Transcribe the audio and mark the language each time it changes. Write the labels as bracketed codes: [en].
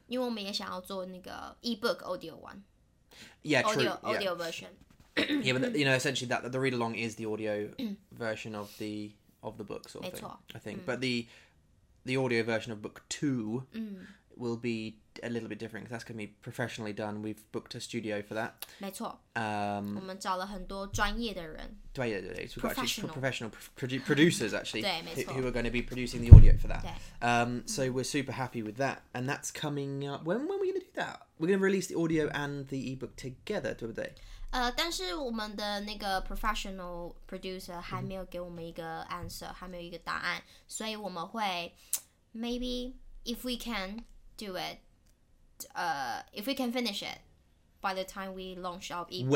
[zh] 因为我们也想要做那个 ebook audio one. [en] Yeah, true. Audio version. Yeah, but you know, essentially the read along is the audio version of the book, sort of thing. [zh] 没错。 [en] I think, but the audio version of book two will be a little bit different. That's going to be professionally done. We've booked a studio for that. [zh] 没错。我们找了很多专业的人。 [en] 对对对。 We've got actually professional producers, actually. [zh] 对，没错。 [en] Who are going to be producing the audio for that. [zh] 对。 [en] So we're super happy with that. And that's coming up. When are we going to do that? We're going to release the audio and the ebook together, 对不对？ [zh] 但是我们的那个 professional producer 还没有给我们一个 answer，还没有一个答案，所以我们会 maybe if we can do it， if we can finish it by the time we launch our ebook.